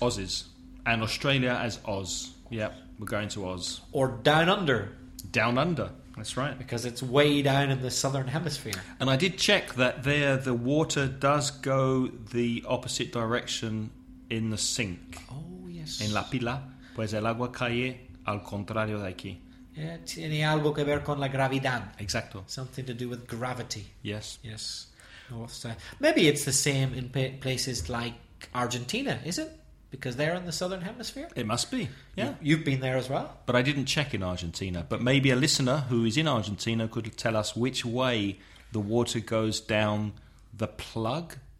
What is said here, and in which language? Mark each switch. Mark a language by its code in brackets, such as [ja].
[en] Aussies. And Australia as Oz. Yep, we're going to Oz. Or Down Under. Down Under, that's right. Because it's way down in the Southern Hemisphere. And I did check that there the water does go the opposite direction in the sink. Oh, yes. [es] En la pila, pues el agua cae al contrario de aquí. Tiene algo que ver con la gravidad. Exacto. [en] Something to do with gravity. Yes. Yes. North side. Maybe it's the same in places like Argentina, is it? Because they're in the Southern Hemisphere? It must be, yeah. You've been there as well? But I didn't check in Argentina. But maybe a listener who is in Argentina could tell us which way the water goes down the plug.